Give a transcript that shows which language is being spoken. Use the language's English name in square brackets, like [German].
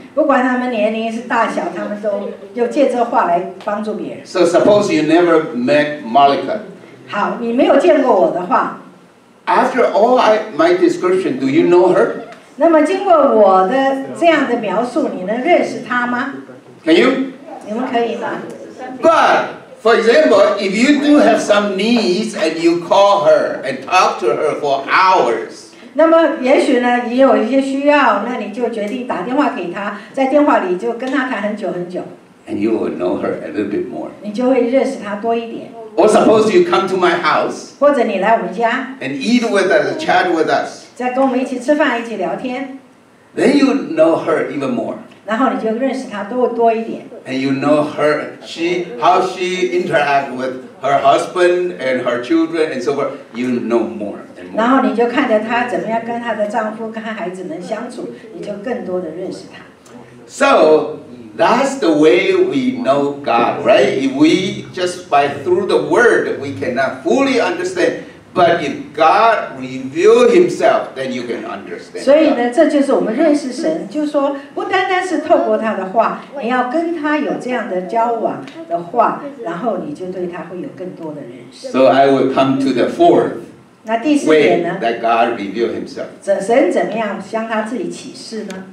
[Chinese] 不管他们年龄是大小，他们都又借这话来帮助别人。 [English] So suppose you never met Malika. [Chinese] 好，你没有见过我的话。 [English] After all my description, do you know her? [Chinese] 那么经过我的这样的描述，你能认识她吗？ [English] Can you? [Chinese] 你们可以吗？ [English] But, for example, if you do have some needs and you call her and talk to her for hours, [Chinese] 那么也许呢，也有一些需要，那你就决定打电话给她，在电话里就跟她谈很久很久。 [English] And you will know her a little bit more. [Chinese] 你就会认识她多一点。 [English] Or suppose you come to my house. [Chinese] 或者你来我们家。 [English] And eat with us, chat with us. [Chinese] 再跟我们一起吃饭，一起聊天。 [English] Then you know her even more. [Chinese] 然后你就认识她多一点。 [English] And you know her, how she interact with her husband and her children and so forth. You know more. [Chinese] 然后你就看着她怎么样跟她的丈夫跟孩子们相处，你就更多的认识她。 [English] So that's the way we know God, right? If we just by through the word, we cannot fully understand. But if God reveal Himself, then you can understand. [Chinese] 所以呢，这就是我们认识神，就是说不单单是透过他的话，你要跟他有这样的交往的话，然后你就对他会有更多的认识。 [English] So I will come to the fourth. [Chinese] 那第四点呢 [English] that God revealed himself. [Chinese] 神怎么样向他自己启示呢